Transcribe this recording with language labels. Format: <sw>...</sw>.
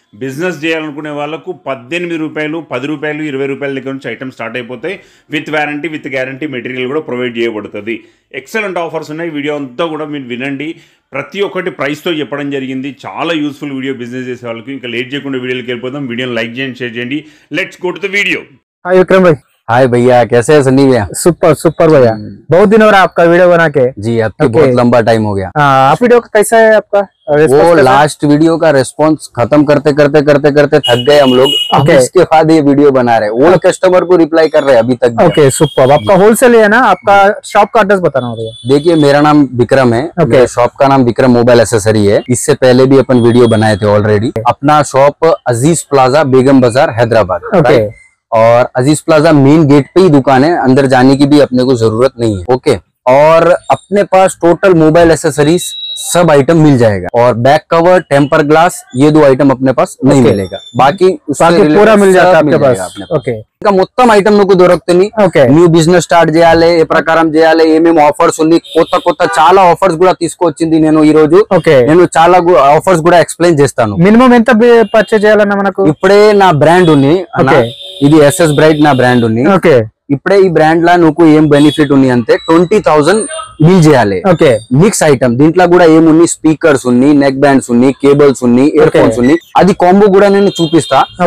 <te>Business చేయాలనుకునే వాళ్ళకు 18 రూపాయలు, 10 రూపాయలు, 20 రూపాయల దగ్గర నుంచి ఐటమ్ స్టార్ట్ అయిపోతాయి, with warranty with guarantee material కూడా ప్రొవైడ్ చేయబడుతుంది, ఎక్సలెంట్ ఆఫర్స్ ఉన్నాయి। వీడియో అంతా కూడా మీరు వినండి, ప్రతి ఒక్కటి ప్రైస్తో చెప్పడం జరిగింది, చాలా యూస్ఫుల్ వీడియో బిజినెస్ చేసే వాళ్ళకి। ఇంకా లేట్ చేయకుండా వీడియోకి వెళ్ళిపోదాం, వీడియోని లైక్ చేయండి, షేర్ చేయండి,</te> <en>Let's go to the video.</en> <te>Hi Vikram భాయ్।</te> <hi>हाय भैया, कैसे है सनी भैया? सुपर सुपर भैया, बहुत दिन हो रहा आपका वीडियो बना के। जी आपके okay. बहुत लंबा टाइम हो गया। आप वीडियो कैसा है आपका? वो लास्ट वीडियो का रिस्पांस खत्म करते करते करते करते थक गए हम लोग, इसके बाद ये वीडियो बना रहे, ओल्ड कस्टमर को रिप्लाई कर रहे अभी तक। ओके सुपर, आपका होलसेल है ना, आपका शॉप का एड्रेस बताना होगा। देखिए मेरा नाम विक्रम है, शॉप का नाम विक्रम मोबाइल एसेसरी है, इससे पहले भी अपन वीडियो बनाए थे ऑलरेडी। अपना शॉप अजीज प्लाजा बेगम बाजार हैदराबाद, और अजीज प्लाजा मेन गेट पे ही दुकान है, अंदर जाने की भी अपने को जरूरत नहीं है। ओके और अपने पास टोटल मोबाइल एसेसरीज सब आइटम मिल जाएगा, और बैक कवर, टेम्पर ग्लास, ये 2 आइटम अपने पास नहीं मिलेगा, बाकी उसके पूरा मिल जाएगा आपके पास। ओके</hi> <te>ఇంకా మొత్తం ఐటమ్ నాకు దొరకతని, న్యూ బిజినెస్ స్టార్ట్ చేయాలి, ఏ ప్రకారం చేయాలి, ఏమేమి ఆఫర్స్ ఉంది, కొత్త కొత్త చాలా ఆఫర్స్ కూడా తీసుకొచ్చింది నేను ఈ రోజు, నేను చాలా ఆఫర్స్ కూడా ఎక్స్ప్లెయిన్ చేస్తాను। మినిమం ఎంత పర్చేజ్ చేయాలన్న మనకు? ఇప్పుడే నా బ్రాండ్ ఉంది, ఇది ఎస్ఎస్ బ్రైట్ నా బ్రాండ్ ఉంది, ఇప్పుడే ఈ బ్రాండ్ లా నాకు ఏం బెనిఫిట్ ఉంది అంటే 20,000 బిల్ చేయాలి మిక్స్ ఐటమ్, దీంట్లో కూడా ఏమున్నాయి, స్పీకర్స్ ఉన్ని, నెక్ బ్యాండ్స్ ఉన్ని, కేబుల్స్ ఉన్ని, ఇయర్ ఫోన్స్ ఉన్ని, అది కాంబో కూడా నేను చూపిస్తా।</te>